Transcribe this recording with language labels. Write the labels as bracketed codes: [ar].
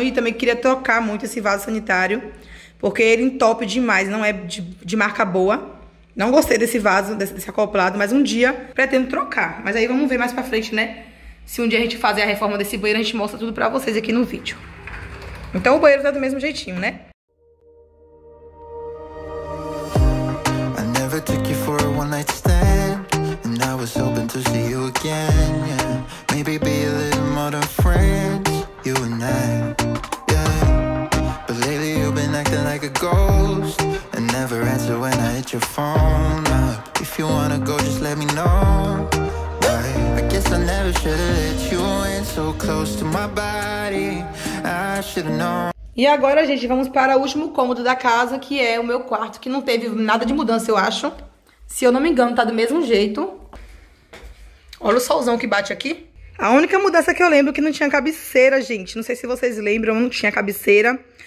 [pt] E também queria trocar muito esse vaso sanitário. Porque ele entope demais. Não é de marca boa. Não gostei desse vaso, desse acoplado. Mas um dia pretendo trocar. Mas aí vamos ver mais pra frente, né? Se um dia a gente fazer a reforma desse banheiro, a gente mostra tudo pra vocês aqui no vídeo. Então o banheiro tá do mesmo jeitinho, né? [en] Took you for a one night stand, and I was hoping to see you again. Yeah, maybe be a little more than friends, you and I. Yeah, but lately you've been acting like a ghost, and never answer when I hit your phone up. If you wanna go, just let me know. Right, I guess I never should've let you in so close to my body. I should've known. [pt] E agora, gente, vamos para o último cômodo da casa, que é o meu quarto, que não teve nada de mudança, eu acho. Se eu não me engano, tá do mesmo jeito. Olha o solzão que bate aqui. A única mudança que eu lembro é que não tinha cabeceira, gente. Não sei se vocês lembram, não tinha cabeceira.